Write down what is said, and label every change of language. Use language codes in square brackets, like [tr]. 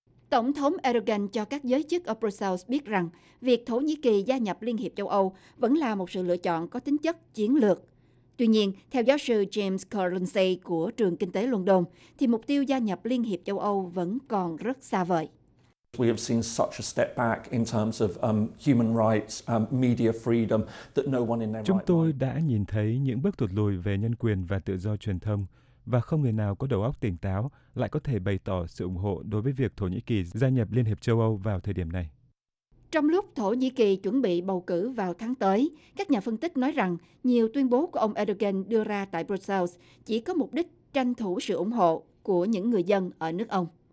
[vi] Tổng thống Erdogan cho các giới chức ở Brussels biết rằng việc Thổ Nhĩ Kỳ gia nhập Liên hiệp châu Âu vẫn là một sự lựa chọn có tính chất chiến lược. Tuy nhiên, theo giáo sư James Collinsey của Trường Kinh tế London, thì mục tiêu gia nhập Liên hiệp châu Âu vẫn còn rất xa vời. [en] We have seen such a step back in terms of human rights, media freedom that no one in their [vi] Chúng tôi đã nhìn thấy những bước tụt lùi về nhân quyền và tự do truyền thông, và không người nào có đầu óc tỉnh táo lại có thể bày tỏ sự ủng hộ đối với việc Thổ Nhĩ Kỳ gia nhập Liên hiệp châu Âu vào thời điểm này. Trong lúc Thổ Nhĩ Kỳ chuẩn bị bầu cử vào tháng tới, các nhà phân tích nói rằng nhiều tuyên bố của ông Erdogan đưa ra tại Brussels chỉ có mục đích tranh thủ sự ủng hộ của những người dân ở nước ông.